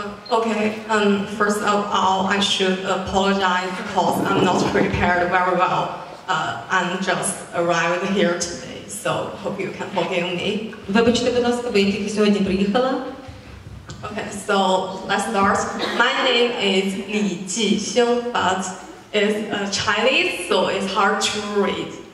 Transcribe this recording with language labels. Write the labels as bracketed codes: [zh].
[en] Okay, first of all, I should apologize because I'm not prepared very well. I'm just arrived here today. So, hope you can forgive me. [uk] Вибачте, будь ласка, ви тільки сьогодні приїхала. [en] Okay, so, let's start. My name is Li Jixing, but it's Chinese, so it's hard to read.